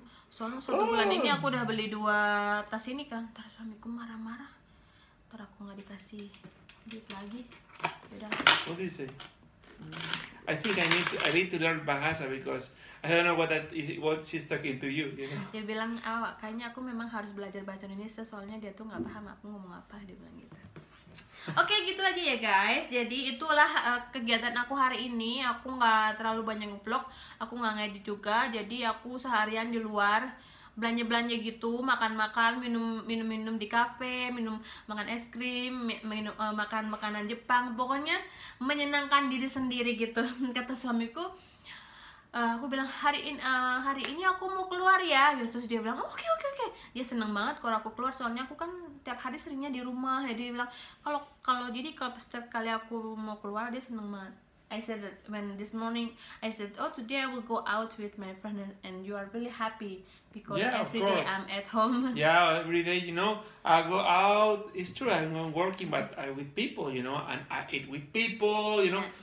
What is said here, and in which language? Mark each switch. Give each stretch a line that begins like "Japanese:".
Indonesian: Soalnya satu bulan ini aku udah beli dua tas ini kan. Ntar suamiku marah-marah. Ntar aku gak dikasih duit lagi. Yaudah.
English: What do you say? I think I need to learn bahasa because I don't know what she's talking to you.
Indonesian: Dia bilang, kayaknya aku memang harus belajar bahasa Indonesia soalnya dia tuh gak paham aku ngomong apa. Dia bilang gitu. Oke, gitu aja ya guys. Jadi itulah kegiatan aku hari ini. Aku gak terlalu banyak nge-vlog. Aku gak ngedit juga. Jadi aku seharian di luar belanja-belanja gitu, makan-makan, minum-minum di kafe, makan es krim, makan makanan Jepang. Pokoknya menyenangkan diri sendiri gitu. Kata suamiku, aku bilang hari ini aku mau keluar ya. Terus dia bilang oke. Dia seneng banget kalau aku keluar, soalnya aku kan tiap hari seringnya di rumah. Jadi dia bilang kalau setiap kali aku mau keluar dia seneng banget.
English: I said that when this morning I said today I will go out with my friend and you are really happy because every day I'm at home. Yeah, every day, you know, I go out. It's true, I'm not working, but I'm with people, you know, and I eat with people, you know.